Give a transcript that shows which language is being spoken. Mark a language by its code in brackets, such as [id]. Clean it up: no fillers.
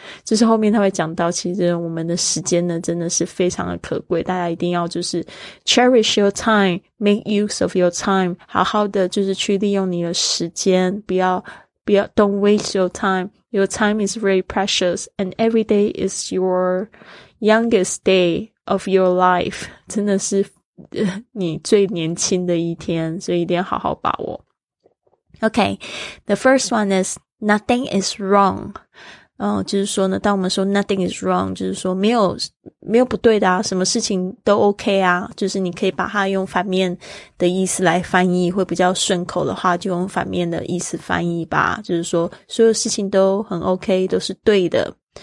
[zh] 就是后面他会讲到，其实我们的时间呢真的是非常的可贵，大家一定要就是 [en] cherish your time, make use of your time, [zh] 好好的就是去利用你的时间，不要 [en] don't waste your time, your time is very precious, and every day is your youngest day of your life, [zh] 真的是你最年轻的一天，所以一定要好好把握。 [en] Okay, the first one is,Nothing is wrong. [zh] 就是说呢，当我们说 [en] nothing is wrong, [zh] 就是说没有不对的啊，什么事情都 OK 啊，就是你可以把它用反面的意思来翻译，会比较顺口的话就用反面的意思翻译吧，就是说所有事情都很 OK, 都是对的。